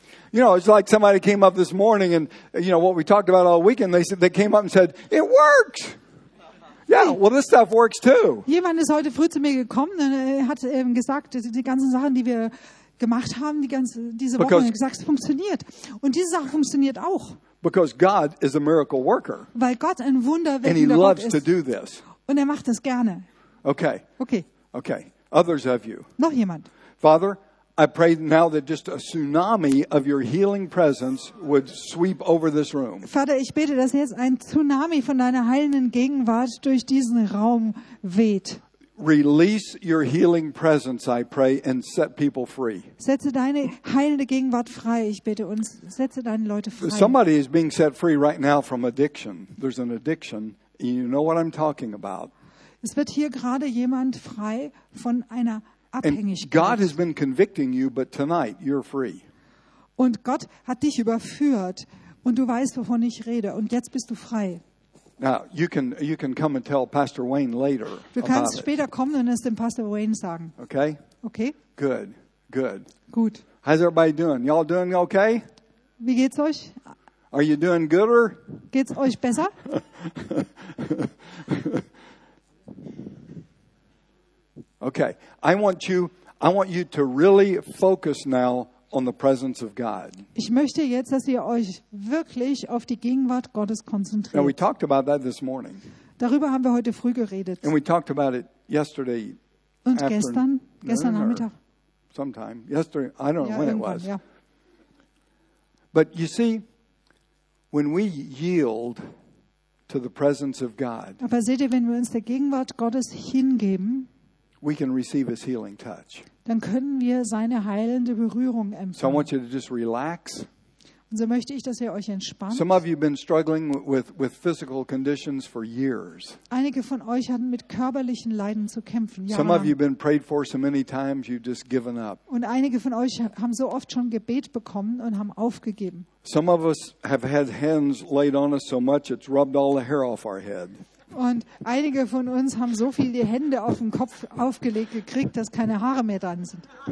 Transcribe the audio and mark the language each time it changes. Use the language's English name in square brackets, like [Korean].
[English] You know, it's like somebody came up this morning and, you know, what we talked about all weekend, they came up and said, it works. Yeah, well, this stuff works too. [German] Jemand ist heute früh zu mir gekommen und hat gesagt, die ganzen Sachen, die wir gemacht haben, diese Woche, und gesagt, es funktioniert. Und diese Sache funktioniert auch. [English] Because God is a miracle worker. [German] Weil Gott ein Wunderwirker [English] ist. And he loves to do this. [German] Und er macht das gerne. [English] Okay. Okay. Okay. Others of you. [German] Noch jemand. [English] Father, I pray now that just a tsunami of your healing presence would sweep over this room. [German] Vater, ich bete, dass jetzt ein Tsunami von deiner heilenden Gegenwart durch diesen Raum weht. [English] Release your healing presence, I pray, and set people free. [German] Setze deine heilende Gegenwart frei, ich bitte uns. Setze deine Leute frei. [English] Somebody is being set free right now from addiction. There's an addiction. You know what I'm talking about. [German] Es wird hier gerade jemand frei von einer Abhängigkeit. [English] And God has been convicting you, but tonight you're free. [German] Und Gott hat dich überführt und du weißt, wovon ich rede. Und jetzt bist du frei. [English] Now you can come and tell Pastor Wayne later. [German] Du kannst später kommen und es dem Pastor Wayne sagen. [English] Okay. Okay. Good. Good. [German] Gut. [English] How's everybody doing? Y'all doing okay? [German] Wie geht's euch? [English] Are you doing gooder? [German] Geht's euch besser? [English] Okay. I want you to really focus now on the presence of God. [German] Ich möchte jetzt, dass ihr euch wirklich auf die Gegenwart Gottes konzentriert. [English] Now we talked about that this morning. [German] Darüber haben wir heute früh geredet. [English] And we talked about it yesterday. [German] Und gestern Nachmittag. [English] sometime yesterday. I don't know when it was. But you see, when we yield to the presence of God, [German] aber seht ihr, wenn wir uns der Gegenwart Gottes hingeben, [English] we can receive His healing touch. [German] Dann können wir seine heilende Berührung empfangen. [English] So I want you to just relax. [German] Und so möchte ich, dass ihr euch entspannt. [English] Some of you have been struggling with physical conditions for years. [German] Einige von euch hatten mit körperlichen Leiden zu kämpfen. [English] Some of you have been prayed for so many times you've just given up. [German] Und einige von euch haben so oft schon Gebet bekommen und haben aufgegeben. [English] Some of us have had hands laid on us so much it's rubbed all the hair off our head. [German] Und einige von uns haben so viel die Hände auf den Kopf aufgelegt gekriegt, dass keine Haare mehr dran sind.